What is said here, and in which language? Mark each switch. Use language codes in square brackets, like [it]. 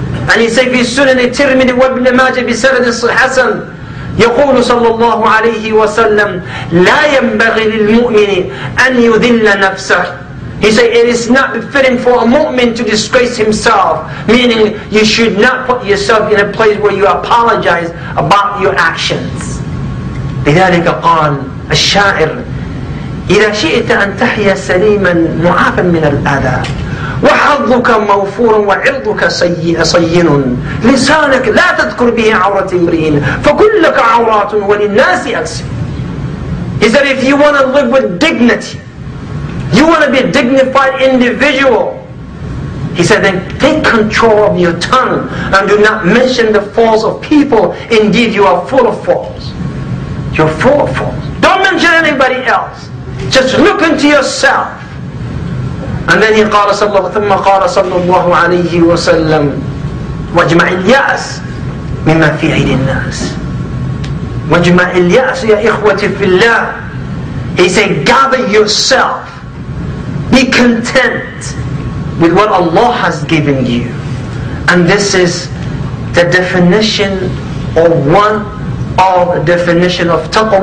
[en] and he said [ar] في سنن الترمذي وابن ماجه بسند حسن يقول صلى الله عليه وسلم لا ينبغي للمؤمن أن يذل نفسه [en] He said, it is not befitting for a mu'min to disgrace himself. Meaning, you should not put yourself in a place where you apologize about your actions. [ar] لذلك قال الشاعر إذا شئت أن تحيا سليما معافا من الأذى وحظك موفور وعرضك صين لسانك لا تذكر به عورة امرئ فكلك عورات وللناس أكسر [en] He said, if you want to live with dignity, You want to be a dignified individual. He said, then take control of your tongue and do not mention the faults of people. Indeed, you are full of faults. You're full of faults. Don't mention anybody else. Just look into yourself. And then he [ar] قال صلى الله عليه وسلم واجمع اليأس مما في عين الناس. واجمع اليأس يا إخوتي في الله. [en] He said, gather yourself. Be content with what Allah has given you. And this is the definition of one of the definition of taqwa.